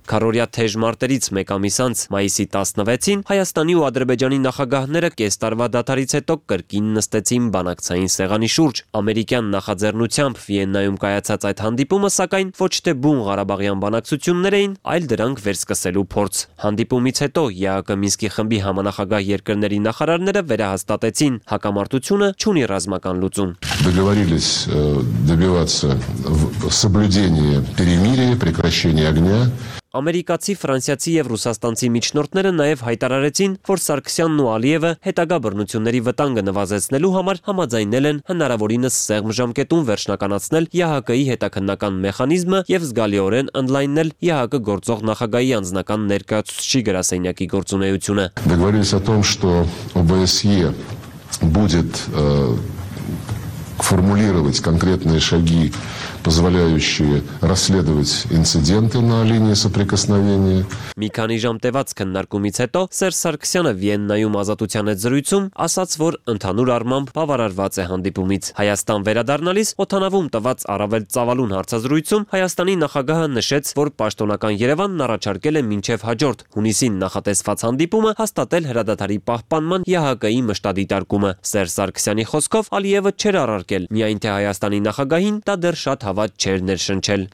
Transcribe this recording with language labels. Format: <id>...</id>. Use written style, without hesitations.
<hy>Քարորյա թեժ մարտերից 1 ամիս անց, մայիսի 16-ին, Հայաստանի ու Ադրբեջանի նախագահները կես տարվա դադարից հետո կրկին նստեցին բանակցային սեղանի շուրջ։ Ամերիկյան նախաձեռնությամբ Վիեննայում կայացած այդ հանդիպումը, սակայն, ոչ թե բուն Ղարաբաղյան բանակցություններ էին, այլ դրանք վերսկսելու փորձ։ Հանդիպումից հետո ԵԱԿ Մինսկի խմբի համանախագահ երկրների նախարարները վերահաստատեցին, հակամարտությունը չունի ռազմական լուծում։</hy> <ru>Договорились добиваться соблюдения перемирия, прекращения огня.</ru> <hy>Ամերիկացի, ֆրանսիացի եւ ռուսաստանցի միջնորդները նաեւ հայտարարեցին, որ Սարգսյանն ու Ալիևը հետագա բռնությունների վտանգը նվազեցնելու համար համաձայնել են հնարավորինս սեղմ ժամկետում վերջնականացնել ԵԱՀԿ-ի հետաքննական մեխանիզմը եւ զգալիորեն ընդլայնել ԵԱՀԿ գործող նախագահի անձնական ներկայացուցիչ գրասենյակի գործունեությունը։</hy> <ru>Договорились о том, что ОБСЕ будет формулировать конкретные шаги, позволяющие расследовать инциденты на линии соприкосновения.</ru> <hy>Մի քանի ժամ տևած քննարկումից հետո Սերժ Սարգսյանը Վիեննայում ազատության հետ զրույցում ասաց, որ ընդհանուր առմամբ բավարարված է հանդիպումից։ Հայաստան վերադառնալիս օթանավում տված առավել ծավալուն հարցազրույցում Հայաստանի նախագահը նշեց, որ պաշտոնական Երևանն առաջարկել է մինչև հաջորդ հունիսին նախատեսված հանդիպումը հաստատել հրադադարի պահպանման ԵԱՀԿ-ի մշտադիտարկումը։ Սերժ Սարգսյանի խոսքով Ալիևը չեր առարկել, միայն թե Հայաստանի նախագահին դա դեռ շատ հավատ չէր ներշնչել։</hy>